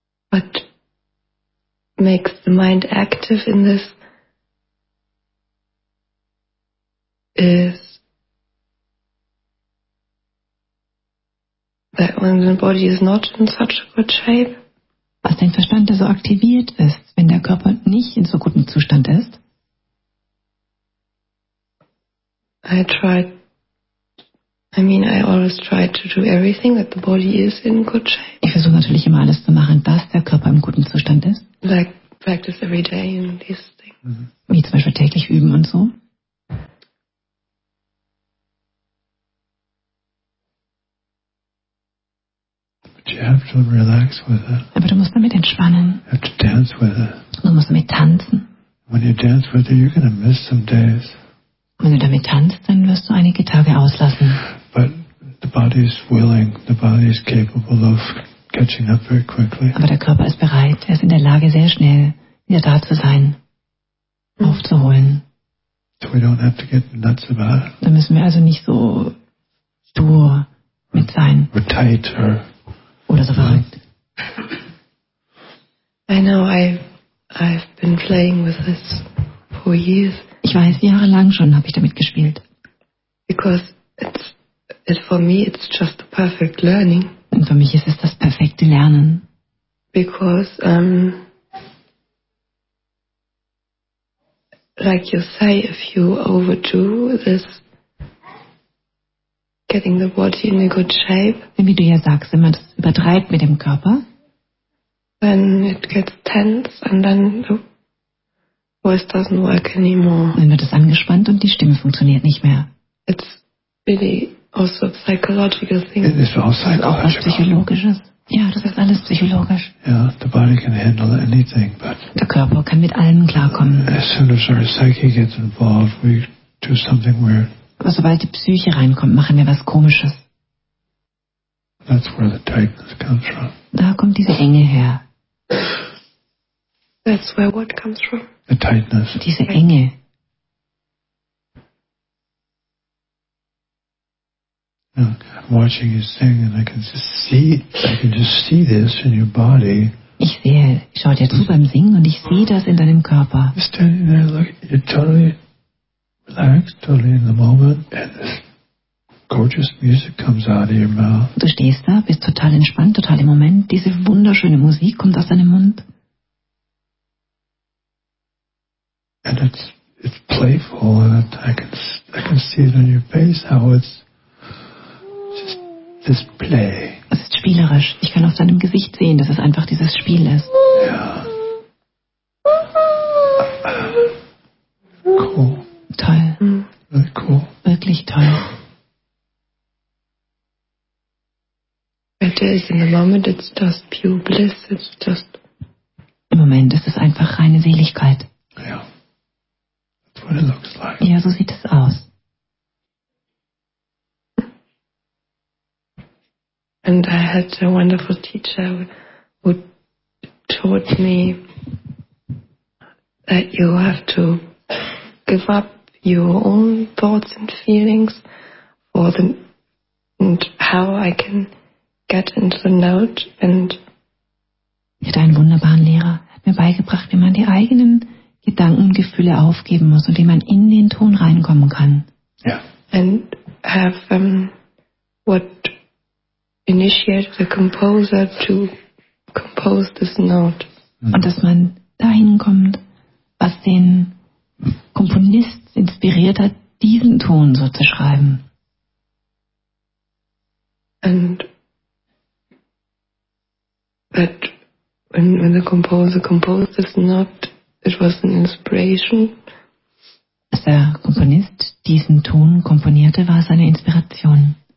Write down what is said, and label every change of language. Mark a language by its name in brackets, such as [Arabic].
[English] What makes the mind active in this is that when the body is not in such a good shape. [German] Was dein Verstand so aktiviert ist, wenn der Körper nicht in so gutem Zustand ist? [English] I always try to do everything that the body is in good shape. [German] Ich versuche natürlich immer alles zu machen, dass der Körper im guten Zustand ist. [English] Like practice every day and these things. Mm-hmm. [German] Wie zum Beispiel täglich üben und so. [English] But you have to relax with it. [German] Aber du musst damit entspannen. [English] You have to dance with it. [German] Du musst damit tanzen. [English] When you dance with it, you're gonna miss some days. [German] Wenn du damit tanzt, dann wirst du einige Tage auslassen. [English] But the body is willing, the body is capable of catching up very quickly. [German] Aber der Körper ist bereit, er ist in der Lage, sehr schnell wieder da zu sein, aufzuholen. [English] So we don't have to get nuts about it. [German] Da müssen wir also nicht so stur mit sein. [English] Or tight or [German] oder so verrückt. [English] I know I've been playing with this for years. [German] Ich weiß, jahrelang schon habe ich damit gespielt. [English] Because it's just the perfect learning. [German] Und für mich ist es das perfekte Lernen. [English] Because like you say, if you overdo this, getting the body in a good shape. [German] Wie du ja sagst, wenn man das übertreibt mit dem Körper, [English] then it gets tense and then the voice doesn't work anymore. [German] Dann wird es angespannt und die Stimme funktioniert nicht mehr. [English] It's really also a psychological thing. It is all psychological. [German] Das ist psychologisches. Ja, das ist alles psychologisch. [English] Yeah, the body can handle anything, but [German] der Körper kann mit allem klarkommen. [English] As soon as our psyche gets involved, we do something weird. [German] Aber sobald die Psyche reinkommt, machen wir was Komisches. [English] That's where the tightness comes from. [German] Da kommt diese Enge her. [English] That's where what comes from? The tightness. [German] Diese Enge. [English] You know, I'm watching you sing and I can just see this in your body. [German] Ich sehe, ich schaue dir zu beim Singen und ich sehe das in deinem Körper. [English] You're standing there like you're totally relaxed, totally in the moment, and this gorgeous music comes out of your mouth. [German] Du stehst da, bist total entspannt, total im Moment. Diese wunderschöne Musik kommt aus deinem Mund. [English] And it's playful, and I can see it on your face how it's just this play. [German] Es ist spielerisch. Ich kann auf deinem Gesicht sehen, dass es einfach dieses Spiel ist. Ja. Cool. Toll. [English] Really cool. [German] Wirklich toll. [English] It is in the moment, it's just pure bliss. It's just. [German] Im Moment ist es einfach reine Seligkeit. [English] Ja. That's what it looks like. [German] Ja, so sieht es aus. [English] And I had a wonderful teacher who taught me that you have to give up your own thoughts and feelings for the and how I can get into the note. And [German] ich hatte einen wunderbaren Lehrer, hat mir beigebracht, wie man die eigenen Gedanken und Gefühle aufgeben muss und wie man in den Ton reinkommen kann. [English] Yeah. And have what initiated the composer to compose this note. [German] Und dass man dahin kommt, was den Komponist inspiriert hat, diesen Ton so zu schreiben. [English] And that when the composer composed this note, it was an inspiration. [German] Als der Komponist diesen Ton komponierte, war es eine Inspiration.